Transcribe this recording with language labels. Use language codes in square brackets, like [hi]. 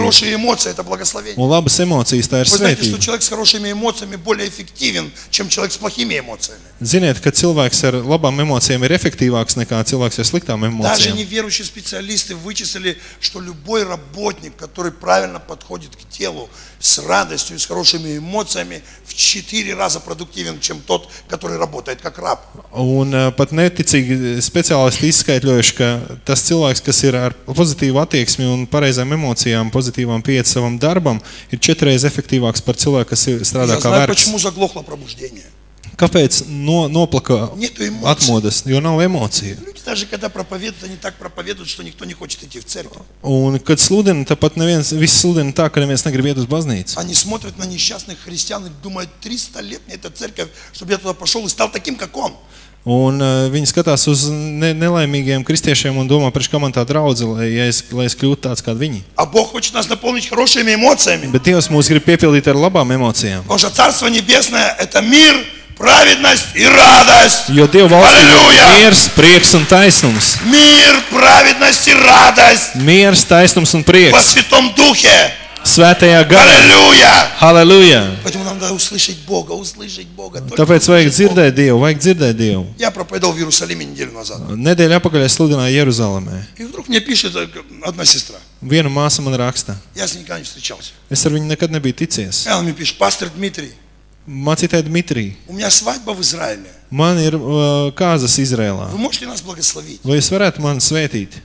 [ru] И хорошие эмоции это благословение. [lv] Un labas emocijas tā ir svētība. [ru] Знаете, что человек с хорошими эмоциями более эффективен, чем человек с плохими эмоциями. [lv] Ziniet, ka cilvēks ar labām emocijām ir efektīvāks nekā cilvēks ar sliktām emocijām. [ru] Даже неверующие специалисты вычислили, что любой работник, который правильно подходит к телу с радостью и с хорошими эмоциями, в 4 раза продуктивен, чем тот, который работает как раб. [lv] Un pat neticīgi speciālisti izskaitļojuši, ka tas cilvēks, kas ir ar pozitīvu attieksmi un pareizām emocijām, pozitīvām pieeja savam darbam, ir 4 reizes efektīvāks par cilvēku, kas strādā kā vergs. [ru] Почему заглохло пробуждение? [lv] Kāpēc noplaka atmodas, jo nav emociju? [ru] Даже когда проповедуют, они так проповедуют, что никто не хочет идти в церковь. [lv] Un kad sludina, tāpat neviens, visi sludina tā, ka neviens negrib iet uz baznīcu. [ru] Они смотрят на несчастных христиан и думают, 300 лет мне эта церковь, чтобы я туда пошел и стал таким, как он. [lv] Un viņi skatās uz nelaimīgiem kristiešiem un domā, preši, kā man tā draudze, lai es kļūtu tāds kā viņi. [ru] А Бог хочет нас наполнить хорошими эмоциями. [lv] Bet Dievs mūs grib piepildīt ar labām emocijām. [ru] Боже, Царство Небесное – это мир, праведность и радость. [lv] Jo Dieva valstība ir miers, prieks un taisnums. [ru] Мир, праведность и радость. [lv] Miers, taisnums un prieks. [ru] Во Святом Духе. [lv] Svētajā garā. Halleluja! Halleluja! [ru] Поэтому нам надо услышать Бога, услышать Бога. [lv] Tāpēc vajag dzirdēt Dievu, vajag dzirdēt Dievu. [ru] Я проповедовал в Иерусалиме неделю назад. [lv] Nedēļa apakaļ es sludināju Jeruzalemē. [ru] И вдруг мне пишет одна сестра. [lv] Viena māsa man raksta. [ru] Я с ней никогда не встречался. [lv] Es ar viņu nekad nebiju ticies. [ru] Она мне пишет, пастор Дмитрий. [lv] Мацитай Дмитрий. [ru] У меня свадьба в Израиле. [lv] Man ir kāzas Izrēlā. Vai mūs vienās blagaslavīt? Vai es varētu mani svētīt?